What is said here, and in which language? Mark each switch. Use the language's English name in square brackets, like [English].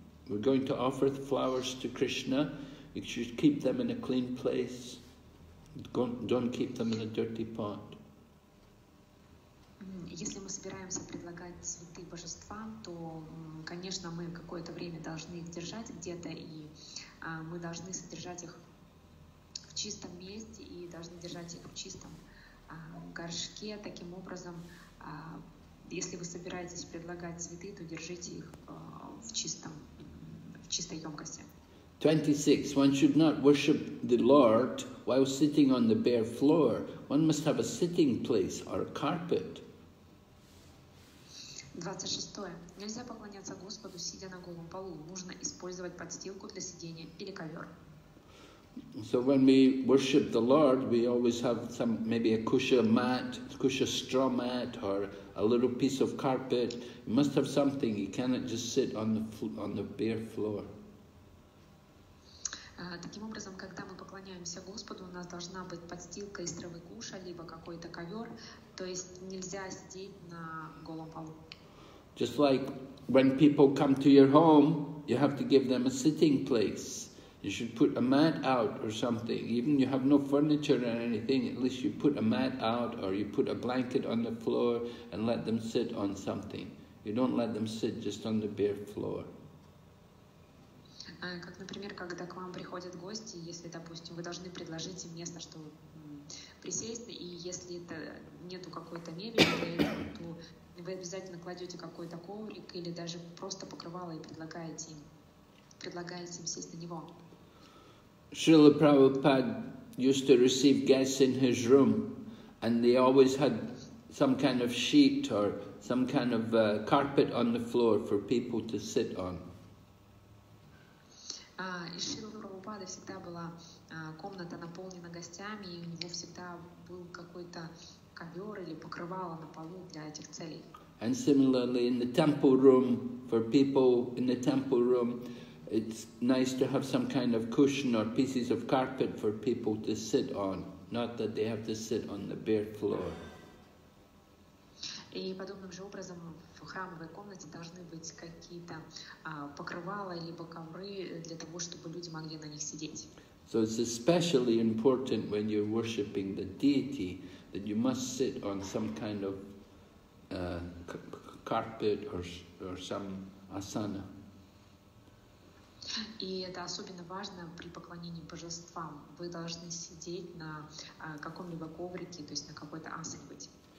[English] We're going to offer the flowers to Krishna. You should keep them in a clean place. Don't keep them in a dirty pot. [Russian] Если мы собираемся предлагать цветы божествам, то, конечно, мы какое-то время должны их держать где-то, и мы должны содержать их в чистом месте и должны держать их в чистом горшке. Таким образом, если вы собираетесь предлагать цветы, то держите их в чистом, в чистой емкости. [English] 26. One should not worship the Lord while sitting on the bare floor. One must have a sitting place or a carpet. [Russian] 26. Нельзя поклоняться Господу, сидя на голом полу. Нужно использовать подстилку для сидения или ковер. [English] So when we worship the Lord, we always have some, maybe a kusha mat, kusha straw mat, or a little piece of carpet. You must have something. You cannot just sit on the bare floor. [Russian] Таким образом, когда мы поклоняемся Господу, у нас должна быть подстилка из травы куша, либо какой-то ковер, то есть нельзя сидеть на голом полу. [English] Just like when people come to your home, you have to give them a sitting place. You should put a mat out or something. Even you have no furniture or anything, at least you put a mat out or you put a blanket on the floor and let them sit on something. You don't let them sit just on the bare floor. [Russian] Как, например, когда к вам приходят гости, если, допустим, вы должны предложить им место, чтобы присесть, и если это нету какой-то мебели, то вы обязательно кладете какой-то коврик или даже просто покрывало и предлагаете им сесть на него. [English] Шрила Прабхупад used to receive guests in his room, and they always had some kind of sheet or some kind of carpet on the floor for people to sit on. [Russian] Шрила Прабхупада всегда была комната наполнена гостями, и у него всегда был какой-то ковер или покрывало на полу для этих целей. [English] And similarly, in the temple room, for people in the temple room, it's nice to have some kind of cushion or pieces of carpet for people to sit on, not that they have to sit on the bare floor. [Russian] И подобным же образом в храмовой комнате должны быть какие-то покрывала либо ковры для того, чтобы люди могли на них сидеть. [English] So it's especially important when you're worshiping the deity that you must sit on some kind of carpet or some asana. [Russian] И это особенно важно при поклонении божествам. Вы должны сидеть на каком-либо коврике, то есть на какой-то асане быть.